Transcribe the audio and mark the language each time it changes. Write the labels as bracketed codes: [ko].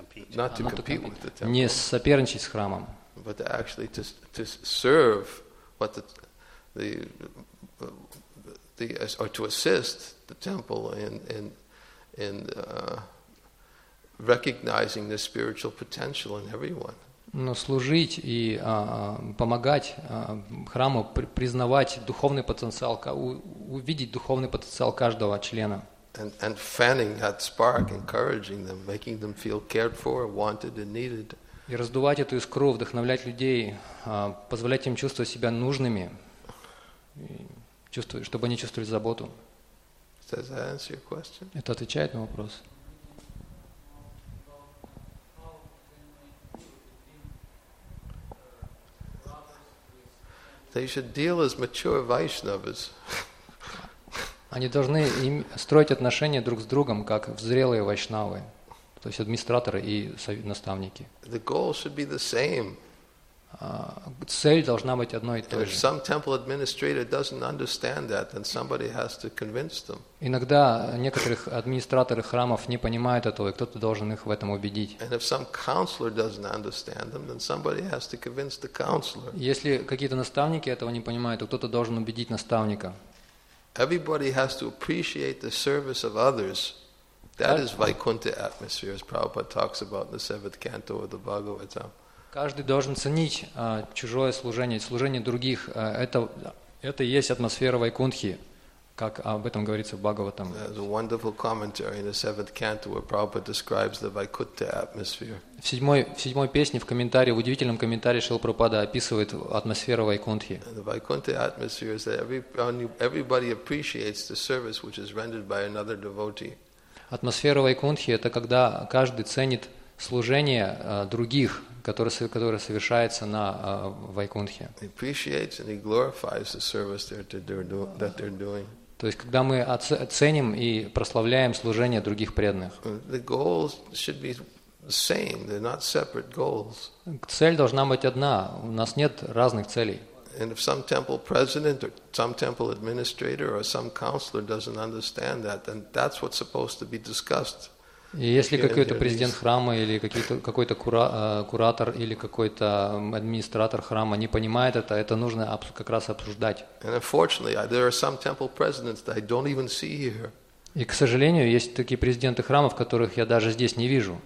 [ru] Не соперничать с храмом. [en] But actually to serve what the or to assist the temple in recognizing the spiritual potential in everyone. [ru] Но служить и помогать храму признавать духовный потенциал, увидеть духовный потенциал каждого члена. [en] And fanning that spark, encouraging them, making them feel cared for, wanted and needed. [ru] И раздувать эту искру, вдохновлять людей, позволять им чувствовать себя нужными. Чтобы они чувствовали заботу. [en] Does that answer your question? [ru] Это отвечает на вопрос. [en] They should deal as mature Vaishnavas. [ru] Они должны им строить отношения друг с другом как взрелые вайшнавы, то есть администраторы и наставники. [en] The goal should be the same. [ru] Цель должна быть одной и той же. [en] If some temple administrator doesn't understand that, then somebody has to convince them. [ru] Иногда некоторых администраторы храмов не понимают этого, и кто-то должен их в этом убедить. [en] And if some counselor doesn't understand them, then somebody has to convince the counselor. [ru] Если какие-то наставники этого не понимают, то кто-то должен убедить наставника. [en] Everybody has to appreciate the service of others. That is Vaikuntha atmosphere, as Prabhupada talks about in the seventh canto of the Bhagavata. [ru] Каждый должен ценить чужое служение, служение других. Это и есть атмосфера Вайкунтхи, как об этом говорится в Бхагаватам. [en] There's a wonderful commentary in the seventh canto where Prabhupada describes the Vaikuntha atmosphere. [ru] В седьмой песне, в комментарии, в удивительном комментарии Шрила Прабхупада описывает атмосферу Вайкунтхи. [en] The Vaikuntha atmosphere is that everybody appreciates the service which is rendered by another devotee. [ru] Атмосфера Вайкунтхи – это когда каждый ценит служение других, которое совершается на Вайкунтхе. [en] He appreciates and he glorifies the service that they're doing. [ru] То есть, когда мы ценим и прославляем служение других преданных. [en] The goals should be the same, they're not separate goals. [ru] Цель должна быть одна, у нас нет разных целей. [en] And if some temple president or some temple administrator or some counselor doesn't understand that, then that's what's supposed to be discussed. [ru] И если какой-то президент храма или какой-то куратор или какой-то администратор храма не понимает это нужно как раз обсуждать. [en] And unfortunately, there are some temple presidents that I don't even see here. [ru] И, к сожалению, есть такие президенты храмов, которых я даже здесь не вижу.